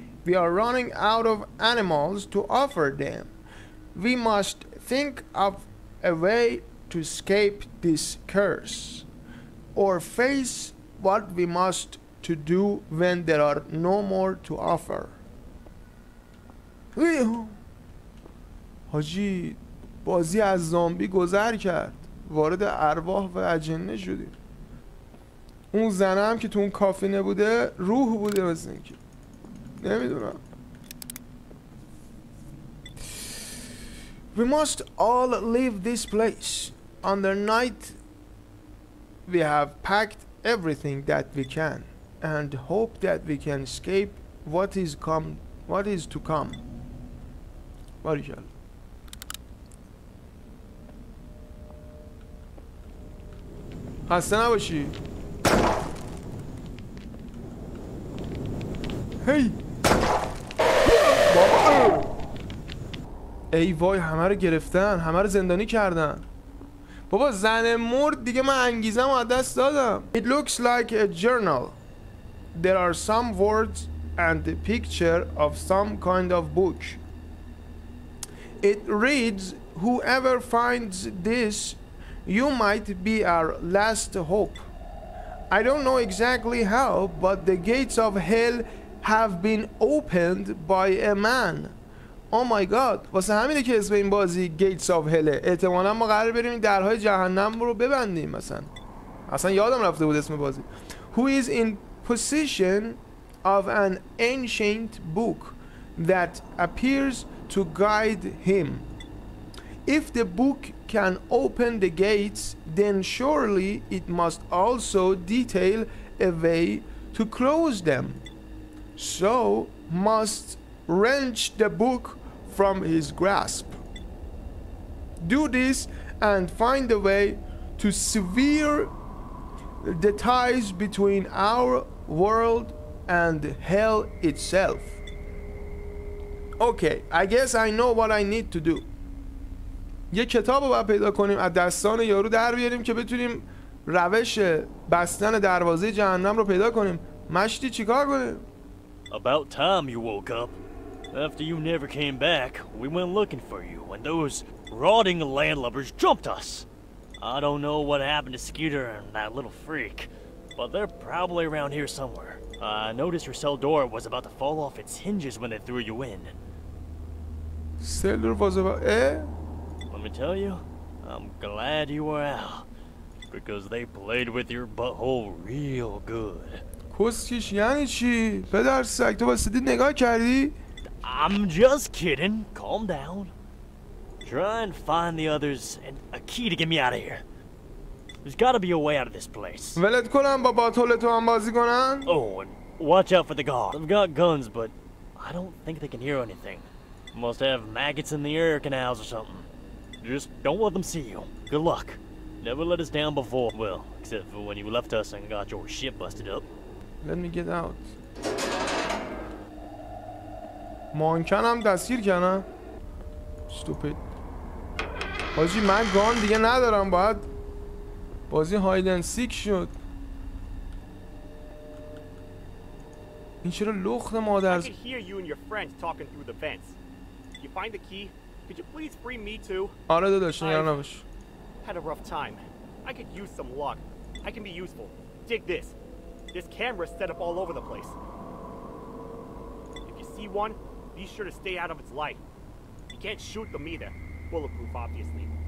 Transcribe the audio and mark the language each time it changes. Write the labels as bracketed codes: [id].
[en] We are running out of animals to offer them. We must think of a way to escape this curse or face what we must to do when there are no more to offer. [fa] حاجی بازی از زامبی گذر کرد، وارد ارواح و اجنه شدیم. اون زنه هم که تو اون کافینه بوده روح بوده، مثل اینکه نمیدونم. [en] We must all leave this place. On the night we have packed everything that we can and hope that we can escape what is come what is to come. Barışal. [fa] خسته نباشی. هی بابا، ای وای، همه رو گرفتن، همه رو زندانی کردن. بابا زن مرد دیگه، من انگیزم رو از دست دادم. [en] It looks like a journal. There are some words and a picture of some kind of book. It reads, whoever finds this, you might be our last hope. I don't know exactly how, but the gates of hell have been opened by a man. Oh my god. [fa] واسه همینه که اسم این بازی Gates of Hell. احتمالا ما قرار بریم درهای جهنم رو ببندیم مثلا. اصلا یادم رفته بود اسم بازی. [en] Who is in possession of an ancient book that appears to guide him? If the book can open the gates, then surely it must also detail a way to close them. So must wrench the book from his grasp. Do this and find a way to sever the ties between our world and hell itself. Okay, I guess I know what I need to do. [fa] یه کتاب رو باید پیدا کنیم، از داستان یارو در بیاریم که بتونیم روش بستن دروازه جهنم رو پیدا کنیم. مشتی چیکار کنیم؟ [en] About time you woke up. After you never came back, we went looking for you and those rotting landlubbers jumped us. I don't know what happened to Skeeter and that little freak, but they're probably around here somewhere. I noticed your cell door was about to fall off its hinges when they threw you in. Cell door was about... Eh? Let me tell you, I'm glad you were out, because they played with your butthole real good. [fa] کسکش یعنی چی؟ پدر سگ، تو بسیدی نگاه کردی؟ [en] I'm just kidding. Calm down. Try and find the others and a key to get me out of here. There's gotta be a way out of this place. [fa] ولت کنم با باطل تو هم بازی کنن؟ [en] Oh, and watch out for the guard. They've got guns, but I don't think they can hear anything. Must have maggots in the air canals or something. Just don't let them see you. Good luck. Never let us down before. Well, except for when you left us and got your shit busted up. Let me get out. [fa] مانکن هم دستگیر کنه. [en] Stupid. [fa] حاجی من گان دیگه ندارم، باید بازی هاید اند سیک شد. این چرا لخت مادر. [en] I can hear you and your friends talking through the fence. If you find the key, could you please free me too? [fa] آره داداش نگران نباش. [en] Had a rough time. I could use some luck. I can be useful. Dig this. This camera set up all over the place. If you see one, be sure to stay out of its light. You can't shoot them either. Bulletproof, obviously.